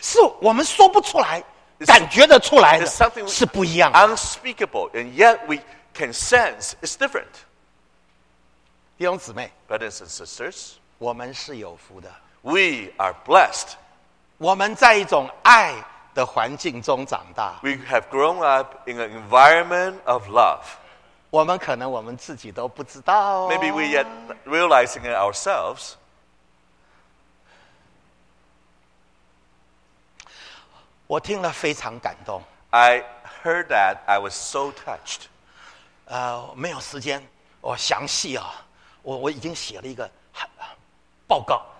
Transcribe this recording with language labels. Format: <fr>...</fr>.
<zh>是我们说不出来、感觉得出来的，是不一样的。</zh> <en>Unspeakable, and yet we can sense it's different.</en> <zh>弟兄姊妹</zh> <en>，Brothers and sisters,</en> <zh>我们是有福的。</zh> <en>We are blessed.</en> <zh>我们在一种爱的环境中长大。</zh> <en>We have grown up in an environment of love.</en> <zh>我们可能我们自己都不知道、</zh> <en>Maybe we yet realizing it ourselves.</en> <zh>我听了非常感动。</zh> <en>I heard that I was so touched.</en> <zh>没有时间，我详细啊，我已经写了一个报告。</zh>